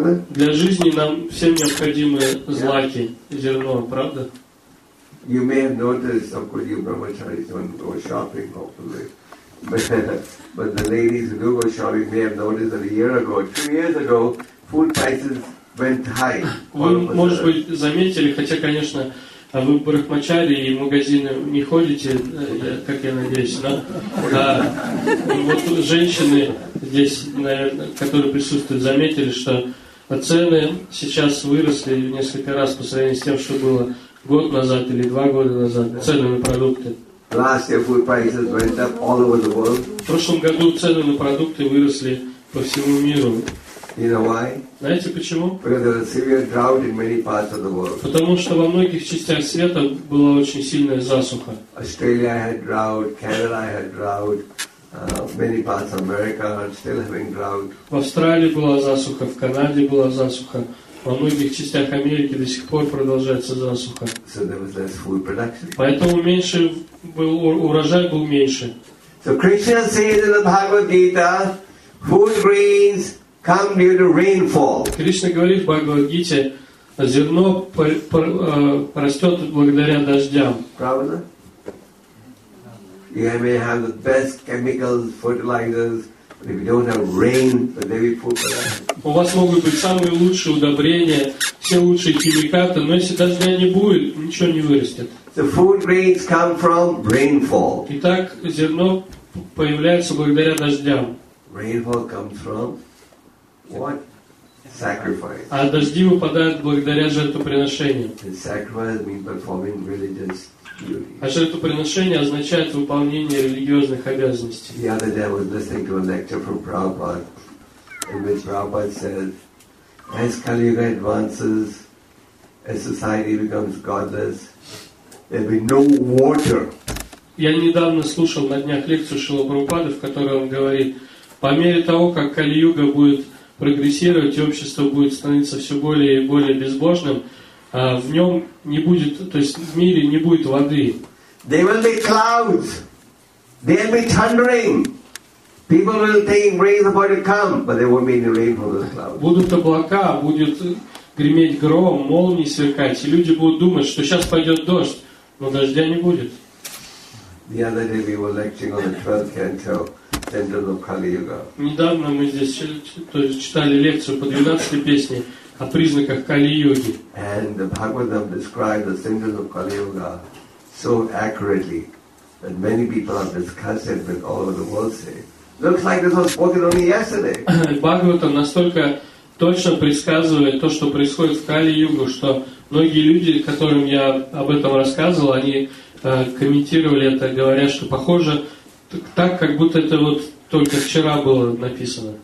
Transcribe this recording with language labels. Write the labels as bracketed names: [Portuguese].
[Russian] Для жизни нам всем необходимы злаки, зерно, правда? [English] You may have noticed, of course, you brahmacharis don't go shopping, hopefully. But the ladies who do go shopping may have noticed that a year ago, 2 years ago, food prices went high. [Russian] Вы, может быть, заметили, хотя, конечно, вы брахмачари и магазины не ходите, как я надеюсь, но да, вот женщины здесь, наверное, которые присутствуют, заметили, что цены сейчас выросли в несколько раз по сравнению с тем, что было год назад или 2 года назад, цены на продукты. [English] Last year, food prices went up all over the world. [Russian] В прошлом году цены на продукты выросли по всему миру. [English] You know why? [Russian] Знаете почему? [English] Because there was a severe drought in many parts of the world. [Russian] Потому что во многих частях света была очень сильная засуха. [English] Australia had drought. Canada had drought. Many parts of America are still having drought. [Russian] В Австралии была засуха. В Канаде была засуха. Во многих частях Америки до сих пор продолжается засуха. [English] So there was less food production. [Russian] Поэтому меньше был урожай был меньше. [English] So Krishna says in the Bhagavad Gita, food grains come due to rainfall. [Russian] Кришна говорит в Бхагавад Гите, зерно растет благодаря дождям. Правда? [English] You may have the best chemicals, fertilizers, Maybe you don't have rain, but maybe poor grass. [Russian] У вас могут быть самые лучшие удобрения, все лучшие химикаты, но если дождя не будет, ничего не вырастет. [English] The food grains come from rainfall. [Russian] Итак, зерно появляется благодаря дождям. [English] Rainfall comes from what? Sacrifice. [Russian] А дожди выпадают благодаря жертвоприношению. [English] And sacrifice means performing religious duties. [Russian] А жертвоприношение означает выполнение религиозных обязанностей. [English] The other day I was listening to a lecture from Prabhupada, in which Prabhupada said, as Kali Yuga advances, as society becomes godless, there will be no water. [Russian] Я недавно слушал на днях лекцию Шрилы Прабхупады, в которой он говорит, по мере того, как Кали-юга будет прогрессировать, и общество будет становиться все более и более безбожным, в нем не будет, то есть в мире не будет воды. [English] There will be clouds. There will be thundering. People will think rain is about to come, but there won't be any rain from the clouds. [Russian] Будут облака, будет греметь гром, молнии сверкать, и люди будут думать, что сейчас пойдет дождь, но дождя не будет. [English] The other day we were lecturing on the 12th canto, Tendrils of Kali Yuga. [Russian] Недавно мы здесь читали лекцию по 12-й песне о признаках Кали Йоги. [English] And the Bhagavatam described the symptoms of Kali Yuga so accurately that many people have discussed it with all over the world. Say, looks like this was spoken only yesterday. [Russian] Бхагаватам настолько точно предсказывает то, что происходит в Кали Югу, что многие люди, которым я об этом рассказывал, они комментировали это, говоря, что похоже так, как будто это вот только вчера было написано.